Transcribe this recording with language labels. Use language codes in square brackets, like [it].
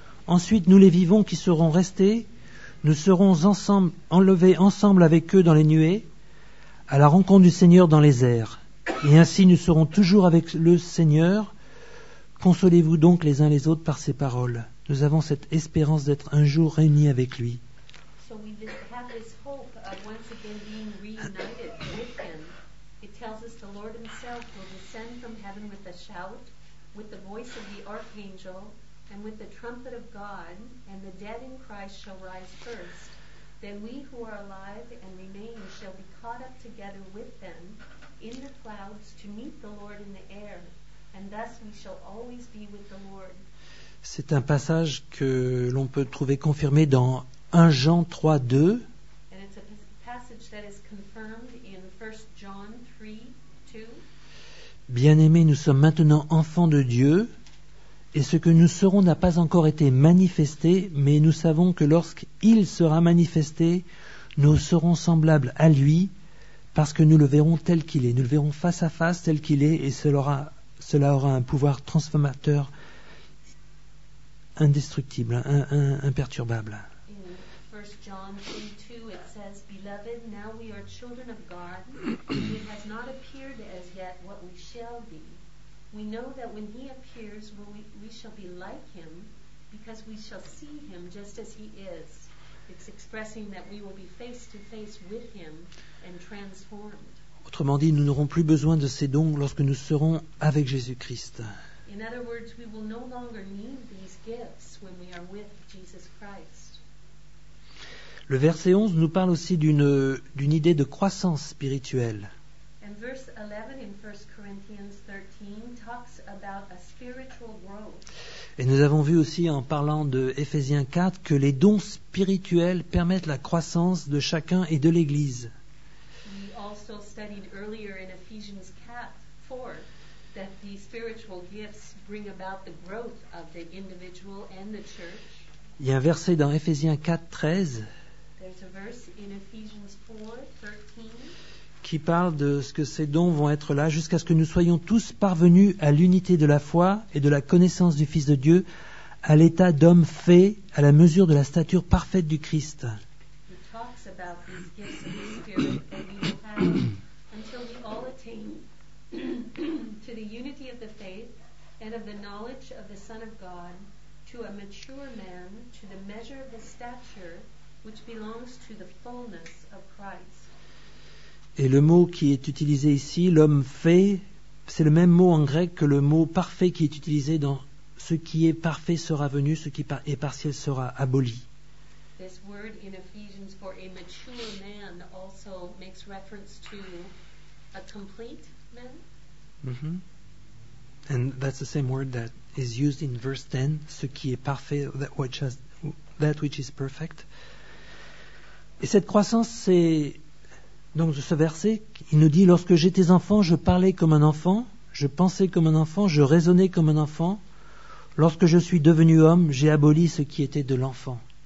[fr] Ensuite, nous les vivants qui serons restés, nous serons ensemble enlevés ensemble avec eux dans les nuées à la rencontre du Seigneur dans les airs. Et ainsi nous serons toujours avec le Seigneur. Consolez-vous donc les uns les autres par ces paroles. Nous avons cette espérance d'être un jour réunis avec lui. [en] So we have this hope of once again being reunited with him. It tells us the Lord himself will descend from heaven with a shout, with the voice of the archangel, and with the trumpet of God, and the dead in Christ shall rise first. Then we who are alive and remain shall be caught up together with them in the clouds to meet the Lord in the air, and thus we shall always be with the Lord. [fr] C'est un passage que l'on peut trouver confirmé dans 1 Jean 3, 2. [en] And it's a passage that is confirmed in 1 John 3, 2. [fr] Bien-aimés, nous sommes maintenant enfants de Dieu, et ce que nous serons n'a pas encore été manifesté, mais nous savons que lorsqu'il sera manifesté, nous serons semblables à lui, parce que nous le verrons tel qu'il est. Nous le verrons face à face tel qu'il est, et cela aura un pouvoir transformateur indestructible, imperturbable. [en] In 1 John 3, 2, it says, Beloved, now we are children of God, and it has not appeared as yet what we shall be. We know that when he appears, we shall be like him, because we shall see him just as he is. It's expressing that we will be face to face with him and transformed. [fr] Autrement dit, nous n'aurons plus besoin de ces dons lorsque nous serons avec Jésus-Christ. [en] In other words, we will no longer need these gifts when we are with Jesus Christ. [fr] Le verset 11 nous parle aussi d'une idée de croissance spirituelle. [en] And verse 11 in 1 Corinthians 13 talks about a spiritual growth. [fr] Et nous avons vu aussi en parlant de Éphésiens 4 que les dons spirituels permettent la croissance de chacun et de l'Église. [en] We also studied earlier in Ephesians 4 that the spiritual gifts bring about the growth of the individual and the church. [fr] Il y a un verset dans Éphésiens 4, 13. [en] There's a verse in Ephesians 4, 13. [fr] Qui parle de ce que ces dons vont être là jusqu'à ce que nous soyons tous parvenus à l'unité de la foi et de la connaissance du Fils de Dieu, à l'état d'homme fait à la mesure de la stature parfaite du Christ. [en] He talks about these gifts of the Spirit that we will have until we all attain to the unity of the faith and of the knowledge of the Son of God, to a mature man, to the measure of the stature which belongs to the fullness of Christ. [fr] Et le mot qui est utilisé ici, l'homme fait, c'est le même mot en grec que le mot parfait qui est utilisé dans ce qui est parfait sera venu, ce qui est partiel sera aboli. [en] This word in Ephesians for a mature man also makes reference to a complete man. And that's the same word that is used in verse 10, [fr] ce qui est parfait, [en] that which has, that which is perfect. [fr] Et cette croissance, c'est donc ce verset, il nous dit, lorsque j'étais enfant, je parlais comme un enfant, je pensais comme un enfant, je raisonnais comme un enfant. Lorsque je suis devenu homme, j'ai aboli ce qui était de l'enfant.